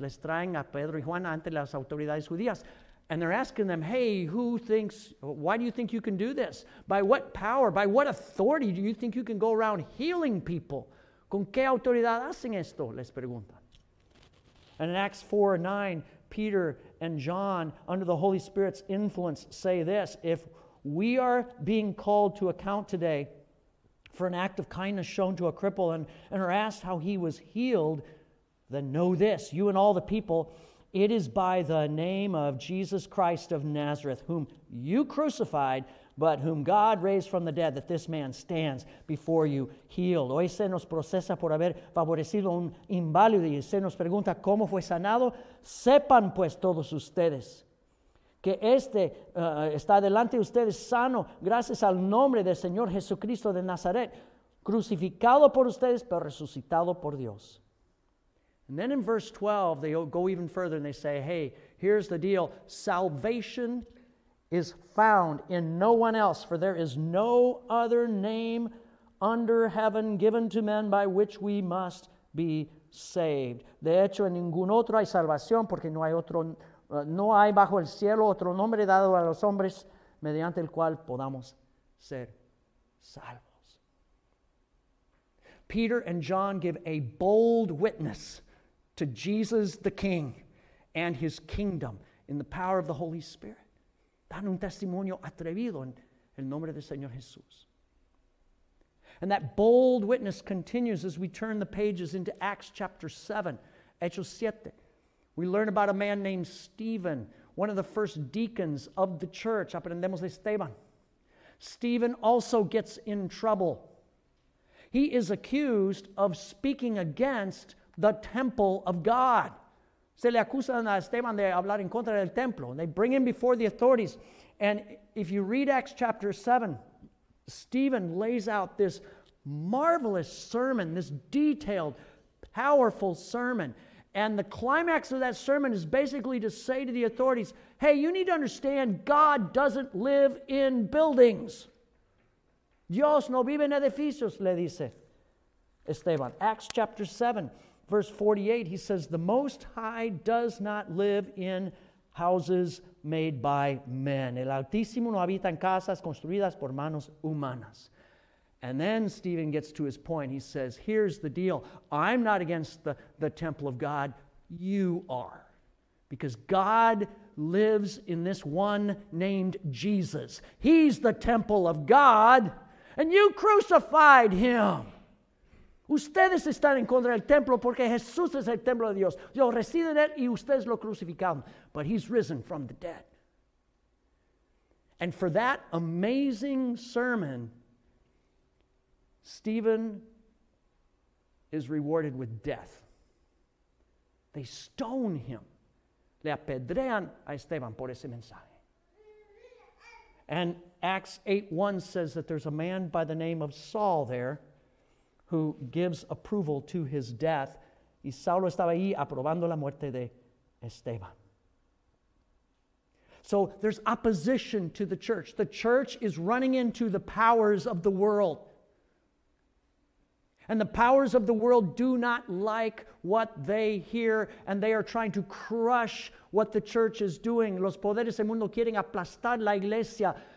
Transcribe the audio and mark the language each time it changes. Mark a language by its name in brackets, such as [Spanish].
[Spanish] Les traen a Pedro y Juan ante las autoridades judías. [English] And they're asking them, hey, why do you think you can do this? By what power, by what authority do you think you can go around healing people? [Spanish] ¿Con qué autoridad hacen esto? Les pregunta. [English] And in Acts 4 and 9, Peter and John, under the Holy Spirit's influence, say this: if we are being called to account today for an act of kindness shown to a cripple and are asked how he was healed, then know this, you and all the people, it is by the name of Jesus Christ of Nazareth, whom you crucified, but whom God raised from the dead, that this man stands before you healed. [Spanish] Hoy se nos procesa por haber favorecido un inválido y se nos pregunta cómo fue sanado. Sepan pues todos ustedes que este está delante de ustedes sano gracias al nombre del Señor Jesucristo de Nazaret, crucificado por ustedes, pero resucitado por Dios. [English] And then in verse 12, they go even further and they say, hey, here's the deal. Salvation is found in no one else, for there is no other name under heaven given to men by which we must be saved. [Spanish] De hecho, en ningún otro hay salvación, porque no hay otro, no hay bajo el cielo otro nombre dado a los hombres mediante el cual podamos ser salvos. [English] Peter and John give a bold witness to Jesus the King and his kingdom in the power of the Holy Spirit. [Spanish] Dan un testimonio atrevido en el nombre del Señor Jesús. [English] And that bold witness continues as we turn the pages into Acts chapter 7, Hechos 7. We learn about a man named Stephen, one of the first deacons of the church. [Spanish] Aprendemos de Esteban. [English] Stephen also gets in trouble. He is accused of speaking against the temple of God. [Spanish] Se le acusan a Esteban de hablar en contra del templo. [English] They bring him before the authorities. And if you read Acts chapter 7, Stephen lays out this marvelous sermon, this detailed, powerful sermon. And the climax of that sermon is basically to say to the authorities, hey, you need to understand God doesn't live in buildings. [Spanish] Dios no vive en edificios, le dice Esteban. [English] Acts chapter 7, verse 48, he says, the Most High does not live in houses made by men. [Spanish] El Altísimo no habita en casas construidas por manos humanas. [English] And then Stephen gets to his point. He says, here's the deal. I'm not against the temple of God. You are. Because God lives in this one named Jesus. He's the temple of God. And you crucified him. [Spanish] Ustedes están en contra del templo porque Jesús es el templo de Dios. Yo resido en él y ustedes lo crucificaron. [English] But he's risen from the dead. And for that amazing sermon, Stephen is rewarded with death. They stone him. [Spanish] Le apedrean a Esteban por ese mensaje. [English] And Acts 8:1 says that there's a man by the name of Saul there who gives approval to his death. [Spanish] Y Saulo estaba ahí aprobando la muerte de Esteban. [English] So there's opposition to the church. The church is running into the powers of the world. And the powers of the world do not like what they hear, and they are trying to crush what the church is doing. [Spanish] Los poderes del mundo quieren aplastar la iglesia.